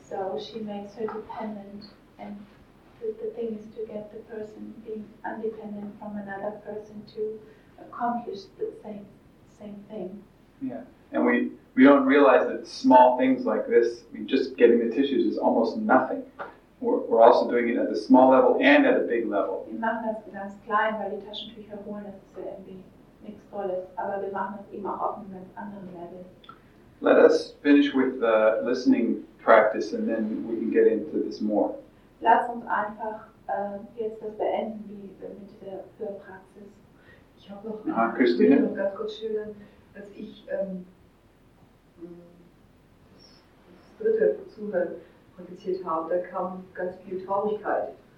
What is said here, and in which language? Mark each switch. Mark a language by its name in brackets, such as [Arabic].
[English] So she makes her dependent. And the thing is to get the person being independent from another person to accomplish the same thing. Yeah, and we don't realize that small things like this, I mean, just getting the tissues is almost nothing. We're also doing it at the small level and at a big level. [German] Wir machen das ganz klein, weil die Taschentücher holen, das ist ja irgendwie nichts Tolles. Aber wir machen das immer auf einem ganz anderen Level. [English] Let us finish with the listening practice and then we can get into this more. [German] Lass uns einfach jetzt das beenden mit der Hörpraxis. Ich habe noch Christine. Ich will ganz kurz schildern, dass ich das dritte Zuhören praktiziert habe, da kam ganz viel Traurigkeit.